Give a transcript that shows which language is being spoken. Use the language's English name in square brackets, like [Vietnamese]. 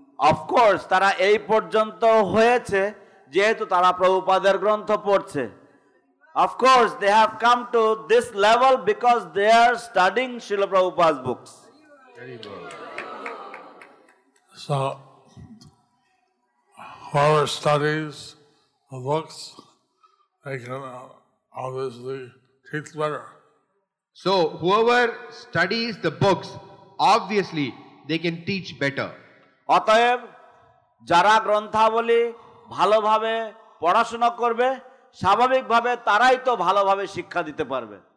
[Bangla] Of course তারা এই পর্যন্ত হয়েছে যেহেতু তারা প্রভুপাদের গ্রন্থ পড়ছে। [English] Of course, they have come to this level because they are studying Srila Prabhupada's books. So, whoever studies the books, they can obviously teach better. So, whoever studies the books, obviously, they can teach better. [Bangla] অতএব যারা গ্রন্থাবলী ভালোভাবে পড়াশোনা করবে স্বাভাবিকভাবে তারাই তো ভালোভাবে শিক্ষা দিতে পারবে।